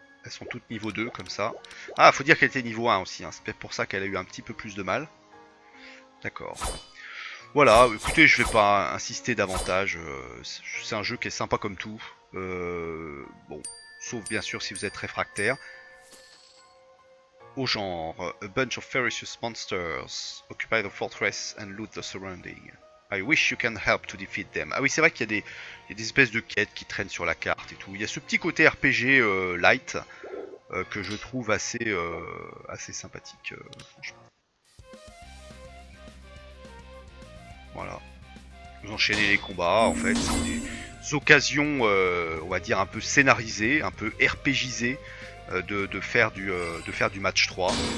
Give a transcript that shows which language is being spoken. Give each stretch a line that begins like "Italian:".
French: Elles sont toutes niveau 2 comme ça. Ah, faut dire qu'elle était niveau 1 aussi. Hein. C'est peut-être pour ça qu'elle a eu un petit peu plus de mal. D'accord. Voilà, écoutez, je vais pas insister davantage, c'est un jeu qui est sympa comme tout, bon, sauf bien sûr si vous êtes réfractaire. Au genre,
English: a bunch of ferocious monsters occupy the fortress and loot the surrounding. I wish you can help to defeat them.
French: Ah oui, c'est vrai qu'il y a des espèces de quêtes qui traînent sur la carte et tout. Il y a ce petit côté RPG light que je trouve assez, assez sympathique, franchement. Voilà. Vous enchaînez les combats, en fait. C'est des occasions, on va dire, un peu scénarisées, un peu RPGisées, de faire du match 3.